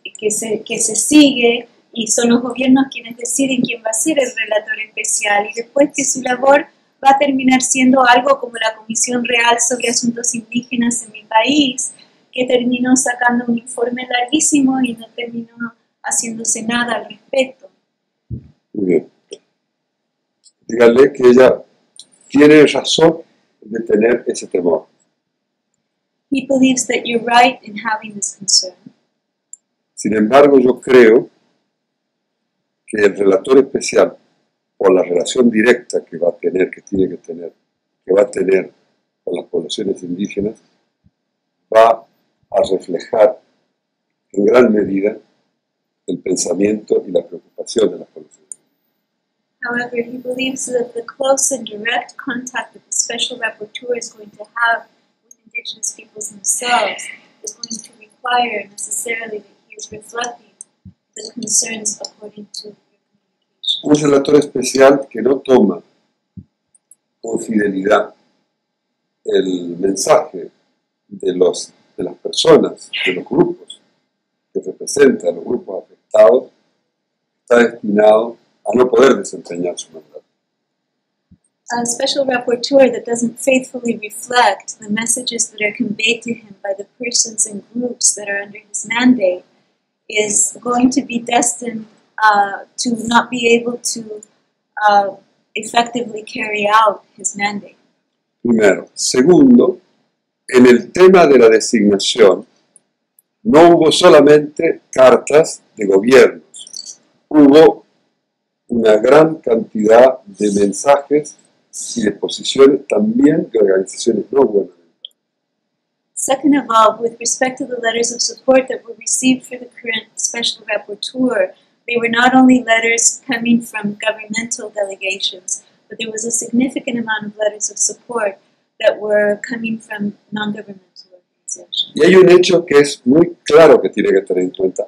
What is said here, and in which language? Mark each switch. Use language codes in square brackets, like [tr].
[es] se sigue y son los gobiernos quienes deciden quién va a ser el relator especial y después que su labor va a terminar siendo algo como la Comisión Real sobre Asuntos Indígenas en mi país, que terminó sacando un informe larguísimo y no terminó haciéndose nada al respecto. Muy bien. Dígale que ella tiene razón de tener ese temor. [en] He believes that you're right in having this concern. [es] Sin embargo, yo creo que el relator especial, por la relación directa que va a tener, que va a tener con las poblaciones indígenas, va a reflejar en gran medida el pensamiento y la preocupación de las poblaciones. [en] However, he believes that the close and direct contact that the special rapporteur is going to have with indigenous peoples themselves is going to require necessarily that he is reflecting the concerns according to [es] un relator especial que no toma con fidelidad el mensaje de las personas, de los grupos que representan a los grupos afectados, está destinado a no poder desempeñar su mandato. [en] A special rapporteur that doesn't faithfully reflect the messages that are conveyed to him by the persons and groups that are under his mandate is going to be destined to not be able to effectively carry out his mandate. [es] Primero. Segundo, en el tema de la designación, no hubo solamente cartas de gobiernos. Hubo una gran cantidad de mensajes y disposiciones también de organizaciones no gubernamentales. [en] Second of all, with respect to the letters of support that were received for the current special rapporteur, they were not only letters coming from governmental delegations, but there was a significant amount of letters of support that were coming from non-governmental organizations. [es] Y hay un hecho que es muy claro que tiene que tener en cuenta.